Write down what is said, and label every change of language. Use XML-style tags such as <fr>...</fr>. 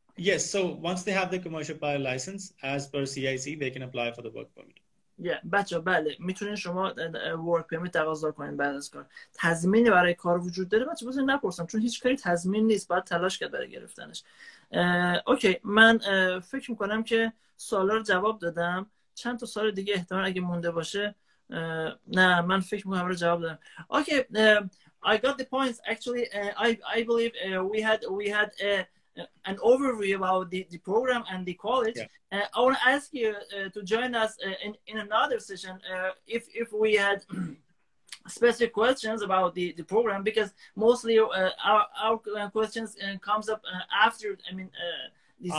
<en>Yes, so once they have the commercial pilot license as per CIC, they can apply for the work permit.</en> <fa>Yeah, بچه بله میتونین شما ورک پرمیت تقاضا کنین بعد از کار. تضمینی برای کار وجود داره؟ بچه بزنین نپرسم چون هیچ کاری تضمین نیست، باید تلاش کرد برای گرفتنش. اوکی، من فکر میکنم که سوالا رو جواب دادم. چند تا سوال دیگه احتمال اگه مونده باشه. نه من فکر میکنم رو جواب دادم.</fa> <en>Okay, I got the points actually. I believe we had an overview about the program and the college. Yeah. I want to ask you to join us in another session if we had specific questions about the program, because mostly our questions comes up after, I mean, the</en>